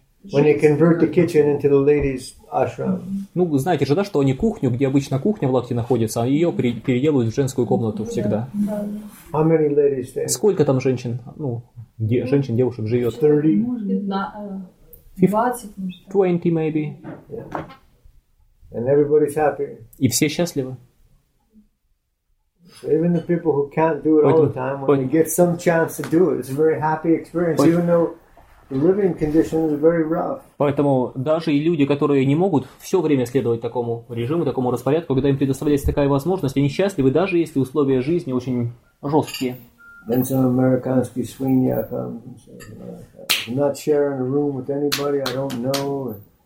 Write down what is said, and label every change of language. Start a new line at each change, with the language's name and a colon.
English: When you convert the kitchen into the ladies' ashram.
Russian: Ну, знаете же, да, что они кухню, где обычно кухня в Лахте находится, ее переделывают в женскую комнату всегда.
English: How many ladies stay?
Russian: Сколько там женщин, ну, женщин, девушек живет?
English: 30. 20, maybe. Yeah. And everybody's happy.
Russian: И все счастливы.
English: Even the people who can't do it all the time, when you get some chance to do it, it's a very happy experience, even though the living conditions are very rough.
Russian: Поэтому даже и люди, которые не могут все время следовать такому режиму, такому распорядку, когда им предоставляется такая возможность, они счастливы, даже если условия жизни очень жесткие.
English: Then some
Russian: американский свинья
English: comes and says, I'm not sharing a room with anybody I don't know.